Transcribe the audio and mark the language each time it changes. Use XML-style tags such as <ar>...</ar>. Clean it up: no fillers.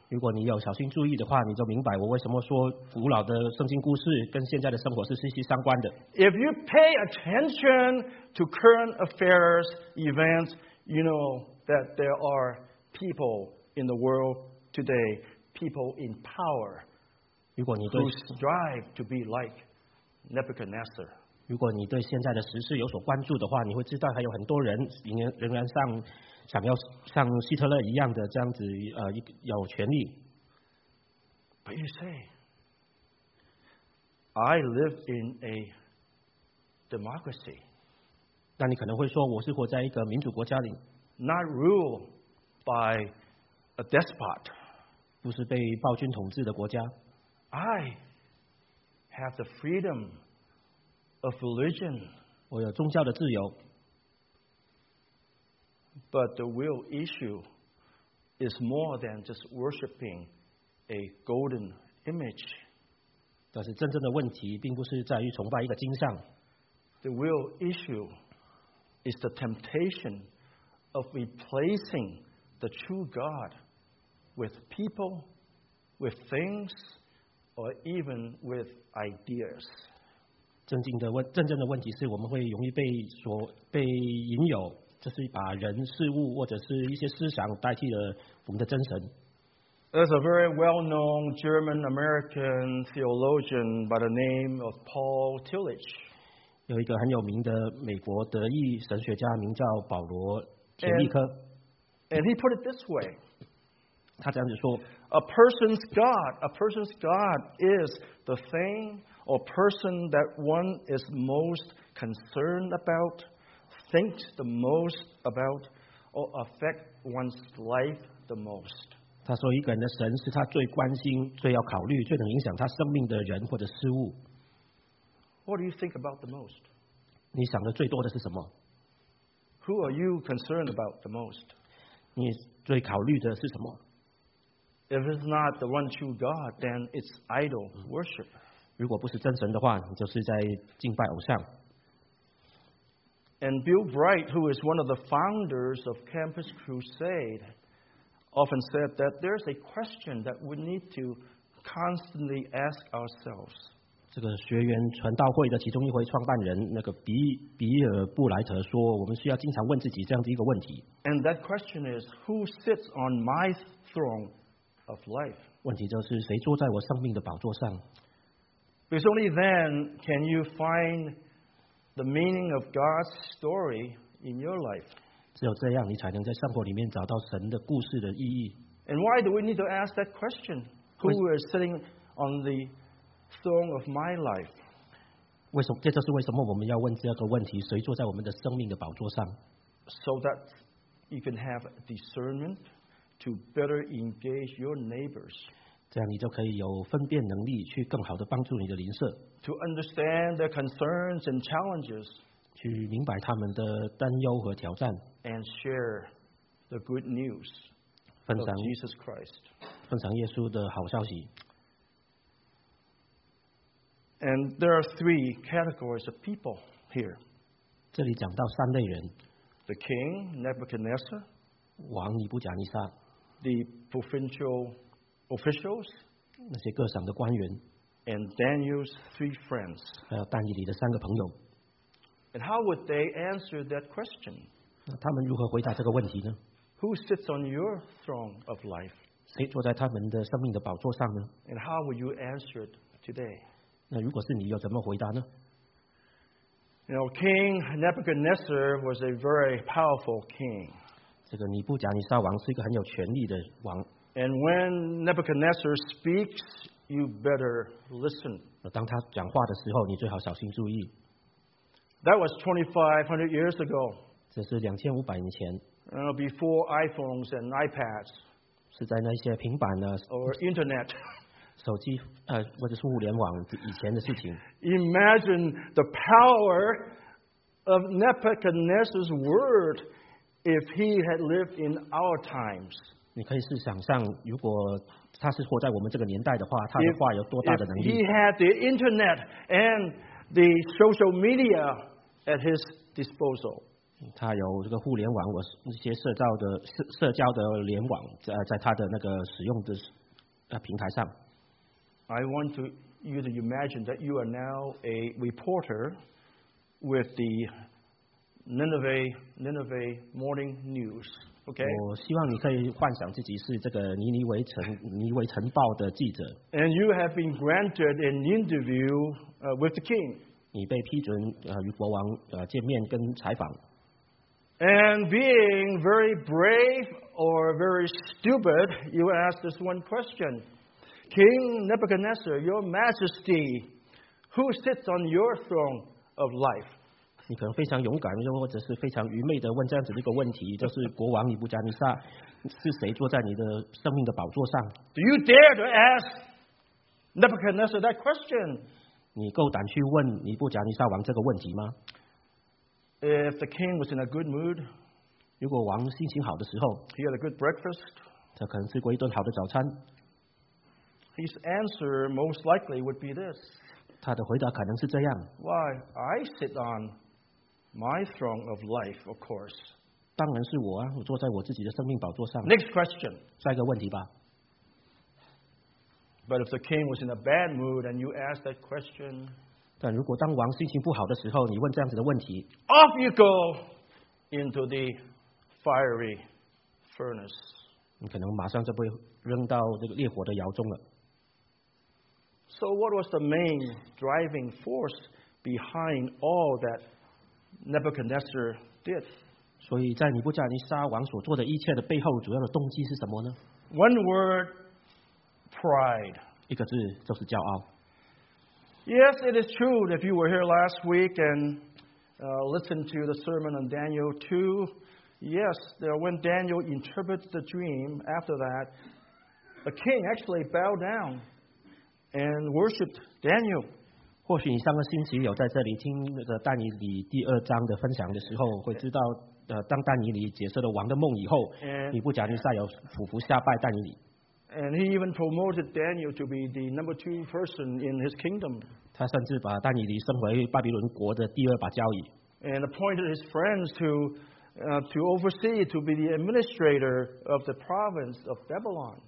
<zh>如果你有小心注意的话，你就明白我为什么说古老的圣经故事跟现在的生活是息息相关的。</zh> <en>If you pay attention to current affairs, events, you know that there are people in the world today, people in power, who strive to be like Nebuchadnezzar.</en> <zh>如果你对现在的时事有所关注的话，你会知道还有很多人仍然想要像希特勒一样的这样子有权力。</zh> <en>But you say, I live in a democracy.</en> <zh>那你可能会说，我是活在一个民主国家里</zh> <en>，not ruled by a despot.</en> <zh>不是被暴君统治的国家。</zh> <en>I have the freedom. Of religion,</en> <zh>我有宗教的自由</zh> <en>but the real issue is more than just worshiping a golden image.</en> <zh>但是真正的问题并不是在于崇拜一个金像</zh> <en>The real issue is the temptation of replacing the true God with people, with things, or even with ideas.</en> <zh>真正的问题是我们会容易被引诱，就是把人事物或者是一些思想代替了我们的真神。</zh> <en>There's a very well-known German-American theologian by the name of Paul Tillich.</en> <zh>有一个很有名的美国德裔神学家，名叫保罗·田立科。</zh> <en>And he put it this way.</en> <zh>他这样子说</zh> <en>：“A person's God is the thing.” Or person that one is most concerned about, thinks the most about, or affect one's life the most.</en> <zh>他说一个人的神是他最关心、最要考虑、最能影响他生命的人或者事物。</zh> <en>What do you think about the most?</en> <zh>你想的最多的是什么？</zh> <en>Who are you concerned about the most?</en> <zh>你最考虑的是什么？</zh> <en>If it's not the one true God, then it's idol worship.</en> <zh>如果不是真神的话，你就是在敬拜偶像。</zh> <en>And Bill Bright, who is one of the founders of Campus Crusade, often said that there is a question that we need to constantly ask ourselves.</en> <zh>这个学员传道会的其中一位创办人，那个比尔布莱特说，我们需要经常问自己这样的一个问题。</zh> <en>And that question is, who sits on my throne of life?</en> <zh>问题就是谁坐在我生命的宝座上？</zh> <en>Because only then can you find the meaning of God's story in your life.</en> <zh>只有这样，你才能在生活里面找到神的故事的意义。</zh> <en>And why do we need to ask that question? Who is sitting on the throne of my life?</en> <zh>为什么？这就是为什么我们要问这个问题：谁坐在我们的生命的宝座上</zh> <en>？So that you can have discernment to better engage your neighbors.</en> <zh>这样你就可以有分辨能力，去更好的帮助你的邻舍。</zh> <en>To understand their concerns and challenges.</en> <zh>去明白他们的担忧和挑战。</zh> <en>And share the good news.</en> <zh>分享</zh> <en>Jesus Christ.</en> <zh>分享耶稣的好消息。</zh> <en>And there are three categories of people here.</en> <zh>这里讲到三类人。</zh> <en>The king, Nebuchadnezzar.</en> <zh>王尼布甲尼撒。</zh> <en>The provincial officials.</en> <zh>那些各省的官员。</zh> <en>And Daniel's three friends.</en> <zh>还有但以理的三个朋友。</zh> <en>And how would they answer that question?</en> <zh>那他们如何回答这个问题呢？</zh> <en>Who sits on your throne of life?</en> <zh>谁坐在他们的生命的宝座上呢？</zh> <en>And how would you answer it today?</en> <zh>那如果是你，要怎么回答呢？</zh> <en>You know, King Nebuchadnezzar was a very powerful king.</en> <zh>这个尼布甲尼撒王是一个很有权力的王。</zh> <en>And when Nebuchadnezzar speaks, you better listen.</en> <zh>当他讲话的时候，你最好小心注意。</zh> <en>That was 2,500 years ago.</en> <zh>这是2500年前。</zh> <en>Before iPhones and iPads.</en> <zh>是在那些平板呢</zh> <en>？Or internet.</en> <zh>手机或者是互联网以前的事情。</zh> <en>Imagine the power of Nebuchadnezzar's word if he had lived in our times.</en> <zh>你可以试想象，如果他是活在我们这个年代的话，他的话有多大的能力</zh> <en>？If he had the internet and the social media at his disposal.</en> <zh>他有这个互联网，我那些社交的联网在他的那个使用的平台上。</zh> <en>I want you to imagine that you are now a reporter with the Nineveh Morning News. Okay.</en> <zh>我希望你可以幻想自己是这个尼尼微城报的记者。</zh> <en>And you have been granted an interview with the king.</en> <zh>你被批准与国王见面跟采访。</zh> <en>And being very brave or very stupid, you ask this one question. King Nebuchadnezzar, your majesty, who sits on your throne of life?</en> <zh>你可能非常勇敢，或者是非常愚昧地问这样子的一个问题，就是国王尼布甲尼撒，是谁坐在你的生命的宝座上？</zh> <en>Do you dare to ask Nebuchadnezzar that question?</en> <zh>你够胆去问尼布甲尼撒王这个问题吗？</zh> <en>If the king was in a good mood,</en> <zh>如果王心情好的时候，</zh> <en>he had a good breakfast,</en> <zh>他可能吃过一顿好的早餐。</zh> <en>His answer most likely would be this.</en> <zh>他的回答可能是这样。</zh> <en>Why? I sit on my throne of life, of course.</en> <zh>当然是我啊，我坐在我自己的生命宝座上。</zh> <en>Next question.</en> <zh>下一个问题吧。</zh> <en>But if the king was in a bad mood and you asked that question.</en> <zh>但如果当王心情不好的时候，你问这样子的问题。</zh> <en>Off you go into the fiery furnace.</en> <zh>你可能马上就被扔到这个烈火的窑中了。</zh> <en>So what was the main driving force behind all that Nebuchadnezzar did?</en> <zh>所以在尼布甲尼撒王所做的一切的背后，主要的动机是什么呢？</zh> <en>One word, pride.</en> <zh>一个字就是骄傲。</zh> <en>Yes, it is true. If you were here last week and listened to the sermon on Daniel 2, yes, when Daniel interprets the dream after that, the king actually bowed down. And worshipped Daniel.</en> <zh>或许你上个星期有在这里听那个但以理第二章的分享的时候，会知道，当但以理解释了王的梦以后，尼布甲尼撒有俯伏下拜但以理。</zh> <en>And he even promoted Daniel to be the number two person in his kingdom.</en> <zh>他甚至把但以理升为巴比伦国的第二把交椅。</zh> <en>And appointed his friends to to oversee, to be the administrator of the province of Babylon.</en>